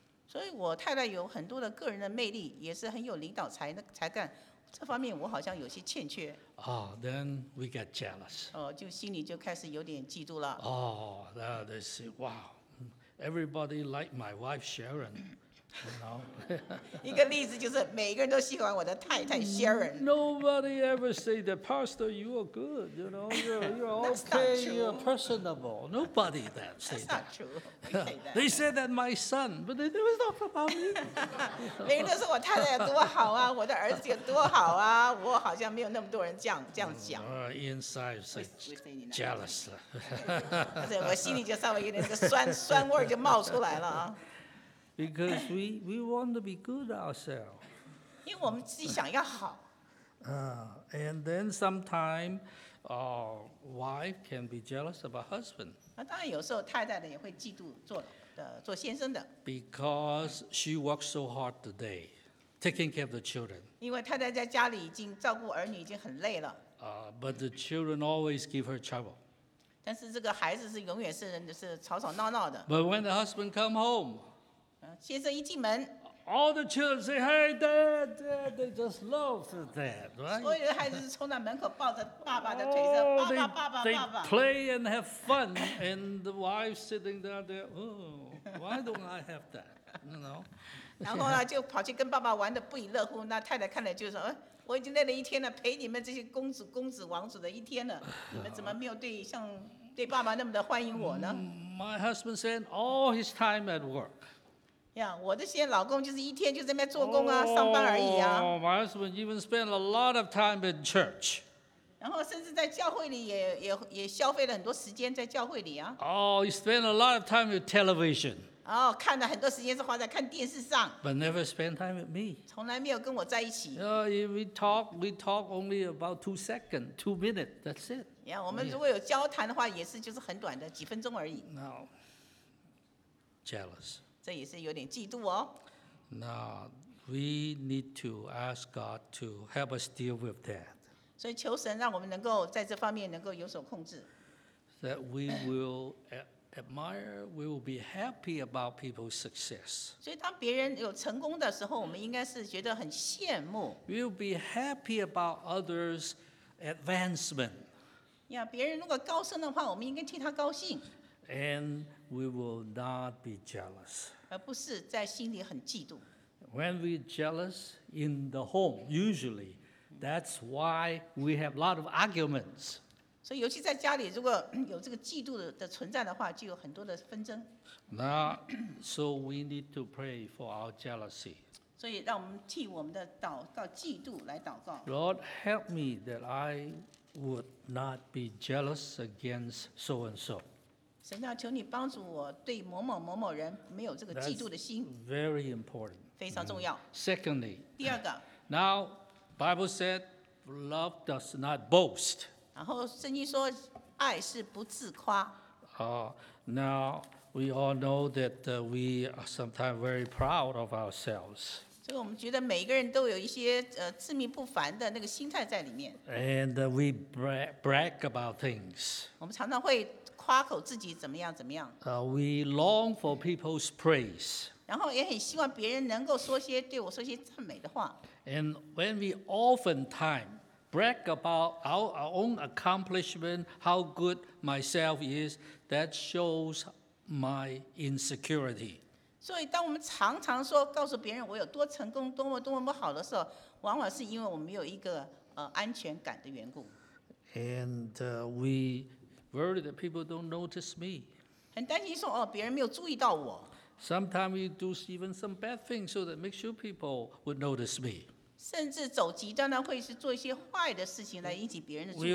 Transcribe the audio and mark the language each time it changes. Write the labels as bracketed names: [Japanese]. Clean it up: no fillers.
[Chinese] 所以我太太有很多的个人的魅力，也是很有领导才干，这方面我好像有些欠缺。 [English] Oh, then we get jealous. [Chinese] 就心里就开始有点嫉妒了。 [English] Oh, they say, wow, everybody like my wife Sharon. [Chinese] 一个例子就是每个人都喜欢我的太太 Sharon。 [English] Nobody ever say that, Pastor, you are good, you know, you're okay, you're personable. Nobody say that. That's not true. They say that my son, but it was not about me. [Chinese] 每个人都说我太太有多好啊，我的儿子有多好啊，我好像没有那么多人这样讲。 [English] Inside is like jealous. [Chinese] 我心里就稍微有点酸味就冒出来了啊。 [English] Because we want to be good ourselves. [Chinese] 因为我们自己想要好。 [English] And then sometimes our wife can be jealous of our husband. [Chinese] 当然有时候太太也会嫉妒做先生的。 [English] Because she works so hard today, taking care of the children. [Chinese] 因为太太在家里已经照顾儿女已经很累了。 [English] But the children always give her trouble. [Chinese] 但是这个孩子是永远是吵吵闹闹的。 [English] But when the husband come home, [Chinese] 先生一进门 [English] ，All the children say, "Hey, Dad, Dad!" They just love Dad, right? [Chinese] 所有的孩子冲到门口，抱着爸爸的腿上，爸爸，爸爸，爸爸。 [English] They play and have fun, and the wife sitting there, "Oh, why don't I have that?" You know. [Chinese] 然后呢，就跑去跟爸爸玩的不亦乐乎。那太太看了就说，我已经累了一天了，陪你们这些公子、公子、王子的一天了，你们怎么没有对爸爸那么的欢迎我呢 [English] ？My husband spent all his time at work. [Chinese] Yeah, 我的现在老公就是一天就在那边做工啊，上班而已啊。 [English] Oh, my husband even spent a lot of time in church. [Chinese] 然后甚至在教会里也消费了很多时间在教会里啊。 [English] Oh, he spent a lot of time with television. [Chinese] 哦，看了很多时间是花在看电视上。 [English] But never spent time with me. [Chinese] 从来没有跟我在一起。 [English] Yeah, we talk only about 2 seconds, 2 minutes, that's it. [Chinese] Yeah, 我们如果有交谈的话，也是就是很短的几分钟而已。 [English] No. Jealous. [Chinese] 这也是有点嫉妒哦。 [English] Now we need to ask God to help us deal with that. [Chinese] 所以求神让我们能够在这方面能够有所控制。 [English] That we will admire, we will be happy about people's success. [Chinese] 所以当别人有成功的时候，我们应该是觉得很羡慕。 [English] We'll be happy about others' advancement. [Chinese] 呀，别人如果高升的话，我们应该替他高兴。 [English] And we will not be jealous. [Chinese] 而不是在心里很嫉妒。 [English] When we're jealous in the home, usually, that's why we have a lot of arguments. [Chinese] 所以尤其在家里，如果有这个嫉妒的存在的话，就有很多的纷争。 [English] Now, so we need to pray for our jealousy. [Chinese] 所以让我们替我们的嫉妒来祷告。 [English] Lord, help me that I would not be jealous against so and so. [Chinese] 神啊，求你帮助我对某某某某人没有这个嫉妒的心。 [English] That's very important. [Chinese] 非常重要。 [English] Secondly, [Chinese] 第二个。 [English] Now, Bible said, love does not boast. [Chinese] 然后圣经说，爱是不自夸。 [English] Now we all know that we are sometimes very proud of ourselves. [Chinese] 所以我们觉得每个人都有一些自命不凡的那个心态在里面。 [English] And we brag about things. [Chinese] 我们常常会。夸口自己怎么样怎么样 [English] ？We long for people's praise. [Chinese] 然后也很希望别人能够说些对我说些赞美的话。 [English] And when we oftentimes brag about our own accomplishment, how good myself is, that shows my insecurity. [Chinese] 所以当我们常常说告诉别人我有多成功、多么多么好的时候，往往是因为我们没有一个安全感的缘故。 [English] And we. Worry that people don't notice me. [Chinese] 很担心说别人没有注意到我。 [English] Sometimes you do even some bad things so that makes sure people would notice me. [Chinese] 甚至走极端呢，会是做一些坏的事情来引起别人的注意力。